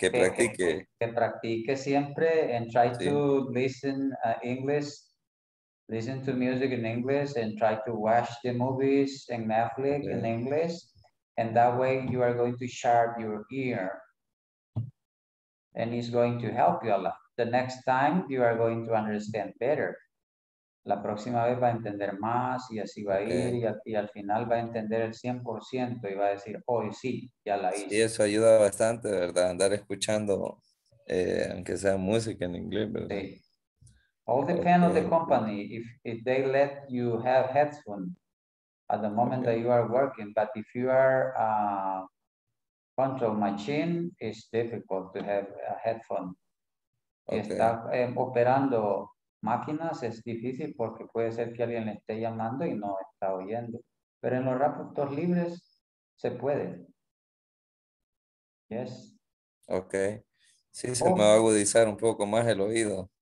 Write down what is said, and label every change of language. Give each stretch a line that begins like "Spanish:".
Spanish: Que practique siempre
English: and try to listen English, listen to music in English and try to watch the movies and Netflix in English, and that way you are going to sharp your ear and it's going to help you a lot. The next time you are going to understand better.
Spanish: La próxima vez va a entender más y así va a ir y al final va a entender el 100% y va a decir, hoy sí, ya la hice. Y eso ayuda bastante, ¿verdad? Andar escuchando, aunque sea música en inglés, ¿verdad?
English: Sí. All depends on the company. If they let you have headphones at the moment that you are working, but if you are a control machine, it's difficult to have a headphone.
Spanish: Okay. Está operando... Máquinas es difícil porque puede ser que alguien le esté llamando y no está oyendo. Pero en los ratos libres se puede. Yes.
English: Ok.
Spanish: Sí, se me va a agudizar un poco más el oído.